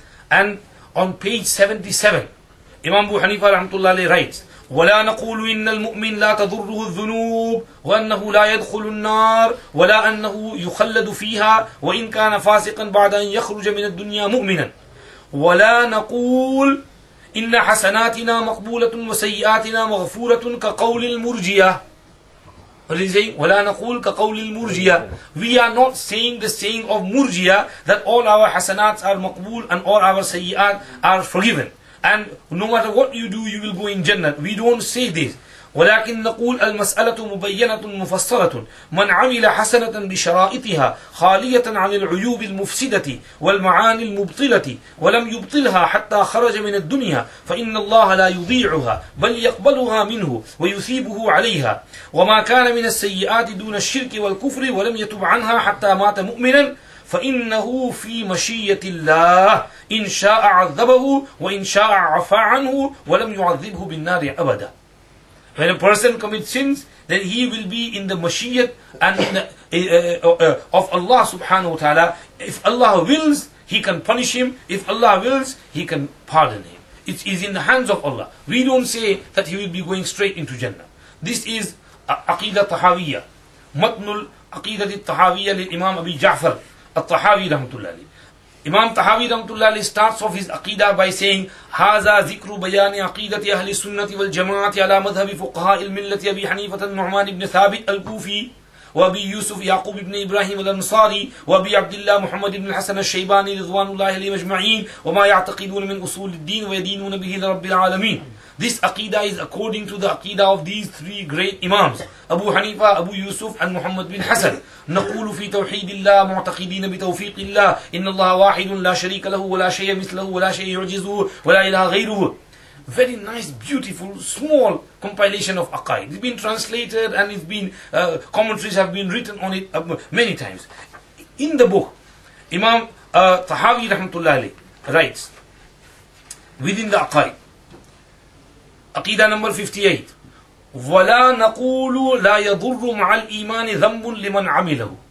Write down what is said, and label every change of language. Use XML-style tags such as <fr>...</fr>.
<ar>And on page 77, Imam Abu Hanifa rahmatullah alayhi writes, وَلَا نَقُولُ إِنَّ الْمُؤْمِنَ لَا تَضُرُّهُ الذُّنُوبُ وَأَنَّهُ لَا يَدْخُلُ النَّارُ وَلَا أَنَّهُ يُخَلَّدُ فِيهَا وَإِنْ كَانَ فَاسِقًا بَعْدَ أَنْ يَخْرُجَ مِنَ الدُّنْيَا مُؤْمِنًا وَلَا نَقُولُ إِنَّ حَسَنَاتِنَا مَقْبُولَةٌ وَسَيِّئَاتِنَا مَغْفُورَةٌ كَقَوْلِ الْمُرْجِيَةِ. What is he saying? وَلَا نَقُولُ كَقَوْلِ الْمُرْجِيَةِ.</ar> <en>We are not saying the saying of Murjiya that all our hasanats are maqbool and all our sayyat are forgiven. And no matter what you do, you will go in Jannah. We don't say this.</en> <ar>ولكن نقول المسألة مبينة مفصلة من عمل حسنة بشرائطها خالية عن العيوب المفسدة والمعاني المبطلة ولم يبطلها حتى خرج من الدنيا فإن الله لا يضيعها بل يقبلها منه ويثيبه عليها وما كان من السيئات دون الشرك والكفر ولم يتب عنها حتى مات مؤمنا فإنه في مشية الله إن شاء عذبه وإن شاء عفا عنه ولم يعذبه بالنار أبدا.</ar> <en>When a person commits sins, then he will be in the mashiyat and of Allah subhanahu wa ta'ala. If Allah wills, he can punish him. If Allah wills, he can pardon him. It is in the hands of Allah. We don't say that he will be going straight into Jannah. This is Aqidah Tahawiyyah. Matnul Aqidah Tahawiyyah lil Imam Abi Ja'far. At-Tahawi rahmatullahi.</en> <ar>Imam Tahawi rahmatullahi starts off his aqidah by saying, هذا ذكر بيان عقيدة أهل السنة والجماعة على مذهب فقهاء الملة أبي حنيفة النعمان بن ثابت الكوفي وأبي يوسف يعقوب بن إبراهيم الأنصاري وأبي عبد الله محمد بن الحسن الشيباني رضوان الله عليهم أجمعين وما يعتقدون من أصول الدين ويدينون به لرب العالمين.</ar> <en>This aqidah is according to the aqidah of these three great imams, Abu Hanifa, Abu Yusuf, and Muhammad bin Hassan.</en> <ar>نقول في توحيد الله معتقدين بتوفيق الله إن الله واحد لا شريك له ولا شيء مثله ولا شيء يعجزه ولا إله غيره.</ar> <en>Very nice, beautiful, small compilation of aqid. It's been translated and it's been commentaries have been written on it many times. In the book, Imam Tahawi rahmatullah alayh writes within the aqid.</en> <ar>Aqidah number 58. وَلَا نَقُولُ لَا يَضُرُّ مَعَ الْإِيمَانِ ذَنْبٌ لِمَنْ عَمِلَهُ.</ar>